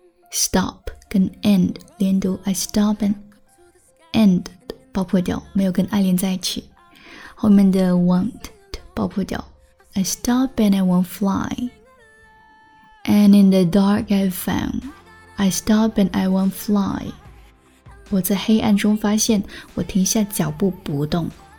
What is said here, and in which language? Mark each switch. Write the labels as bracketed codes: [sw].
[en] Stop [zh] 跟 [en] end [zh] 连读 [en] I stop and end [zh] 爆破掉，没有跟 I 连在一起，后面的 won't 爆破掉 [en] I stop and I won't fly. And in the dark I found I stop and I won't fly. [zh] 我在黑暗中发现我停下脚步不动。